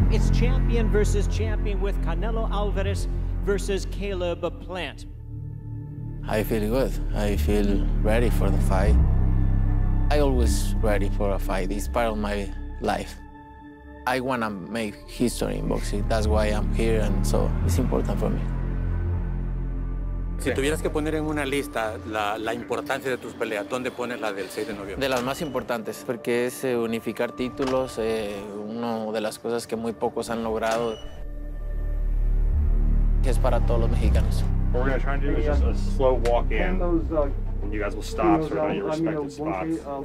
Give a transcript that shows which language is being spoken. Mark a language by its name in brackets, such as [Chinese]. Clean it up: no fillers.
[English] It's champion versus champion with Canelo Alvarez versus Caleb Plant. I feel good. I feel ready for the fight. I always ready for a fight. It's part of my life. I want to make history in boxing. That's why I'm here, and so it's important for me. [Spanish] Si tuvieras que poner en una lista la importancia de tus peleas, ¿dónde pones la del 6 de noviembre? De las más importantes, porque es unificar títulos, una de las cosas que muy pocos han logrado, que es para todos los mexicanos. [English] What we're going to try and do is just a slow walk in, and you guys will stop sort of on your respective spots.